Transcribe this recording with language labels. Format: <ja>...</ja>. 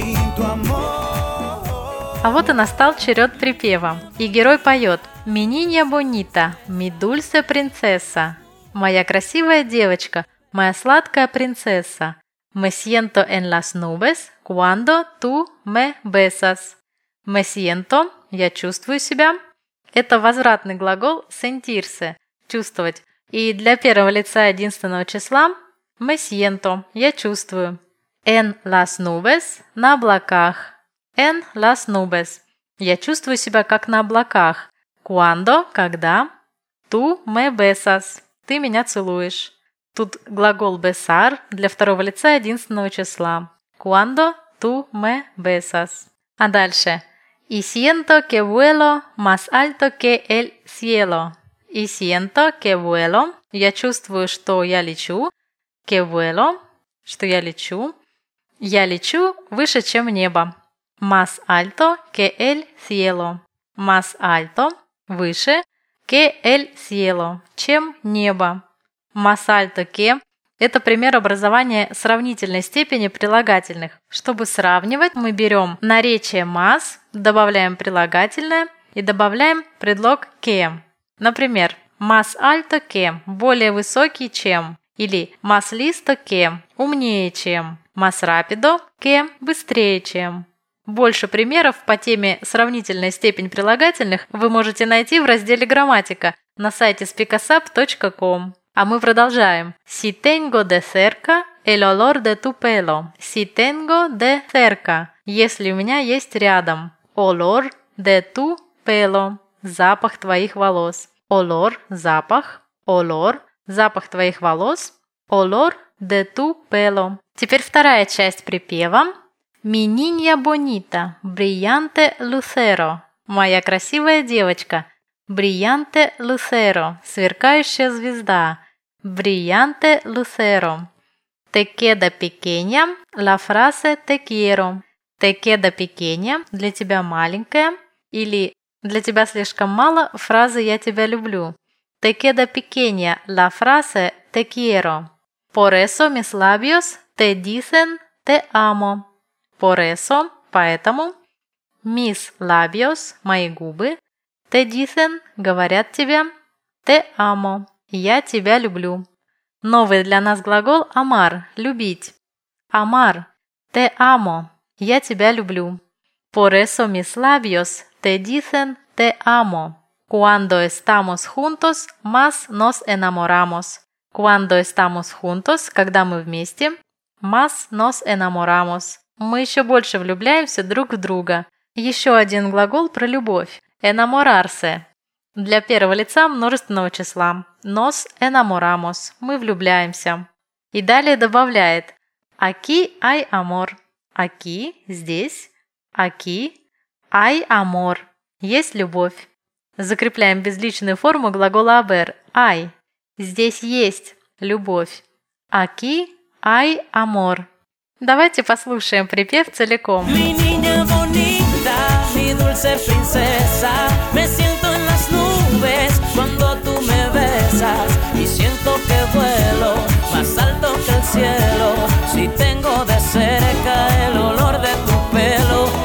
<ru>А вот и настал черед припева. И герой поет:</ru> <es>«Ми нинья бонита, ми дульсе принцесса».</es> <ru>«Моя красивая девочка, моя сладкая принцесса».</ru> <es>«Me siento en las nubes cuando tú me besas». «Me siento»</es> <ru>– «я чувствую себя». Это возвратный глагол «sentirse» – «чувствовать». И для первого лица единственного числа</ru> <es>«me siento»</es> <ru>– «я чувствую».</ru> <es>«En las nubes» –</es> <ru>«на облаках».</ru> <es>«En las nubes»</es> <ru>– «я чувствую себя как на облаках». «Cuando» – «когда».</ru> <es>«Tú me besas»</es> <ru>– «ты меня целуешь». Тут глагол besar для второго лица единственного числа.</ru> <es>Cuando tú me besas.</es> <ru>А дальше.</ru> <es>Y siento que vuelo más alto que el cielo. Y siento que vuelo.</es> <ru>Я чувствую, что я лечу. Que vuelo. Что я лечу. Я лечу выше, чем небо.</ru> <es>Más alto que el cielo.</es> <ru>Más alto. Выше.</ru> <es>Que el cielo.</es> <ru>Чем небо. «Más alto que» – это пример образования сравнительной степени прилагательных. Чтобы сравнивать, мы берем наречие «más», добавляем прилагательное и добавляем предлог «que». Например,</ru> <es>«más alto que»</es> <ru>– более высокий, чем. Или</ru> <es>«más listo que»</es> <ru>– умнее, чем.</ru> <es>«Más rápido que»</es> <ru>– быстрее, чем. Больше примеров по теме «сравнительная степень прилагательных» вы можете найти в разделе «Грамматика» на сайте speakasap.com. А мы продолжаем.</ru> <es>Si tengo de cerca el olor de tu pelo. Si tengo de cerca.</es> <ru>Если у меня есть рядом.</ru> <es>Olor de tu pelo.</es> <ru>Запах твоих волос. Olor – запах. Olor – запах твоих волос.</ru> <es>Olor de tu pelo.</es> <ru>Теперь вторая часть припева.</ru> <es>Mi niña bonita, brillante lucero.</es> <ru>Моя красивая девочка.</ru> <es>Brillante lucero.</es> <ru>Сверкающая звезда.</ru> <es>Brillante lucero. Te queda pequeña la frase te quiero. Te queda pequeña</es> <ru>– для тебя маленькая. Или для тебя слишком мало фразы «я тебя люблю».</ru> <es>Te queda pequeña la frase te quiero. Por eso mis labios te dicen te amo. Por eso –</es> <ru>поэтому.</ru> <es>Mis labios</es> <ru>– мои губы. Te dicen – говорят тебе.</ru> <es>Te amo.</es> <ru>Я тебя люблю. Новый для нас глагол amar – любить. Amar –</ru> <es>te amo.</es> <ru>Я тебя люблю.</ru> <es>Por eso mis labios te dicen te amo. Cuando estamos juntos, más nos enamoramos. Cuando estamos juntos –</es> <ru>когда мы вместе.</ru> <es>Más nos enamoramos.</es> <ru>Мы еще больше влюбляемся друг в друга. Еще один глагол про любовь – enamorarse. Для первого лица множественного числа.</ru> <es>Nos enamoramos.</es> <ru>Мы влюбляемся. И далее добавляет.</ru> <es>Aquí hay amor. Aquí –</es> <ru>здесь.</ru> <es>Aquí – hay amor.</es> <ru>Есть любовь. Закрепляем безличную форму глагола haber. Hay. Здесь есть любовь.</ru> <es>Aquí – hay amor.</es> <ru>Давайте послушаем припев целиком.</ru> <es>Mi niña bonita, mi dulce princesa. Me siento en las nubes cuando tú me besas. Y siento que vuelo más alto que el cielo. Si tengo de cerca el olor de tu pelo.</es>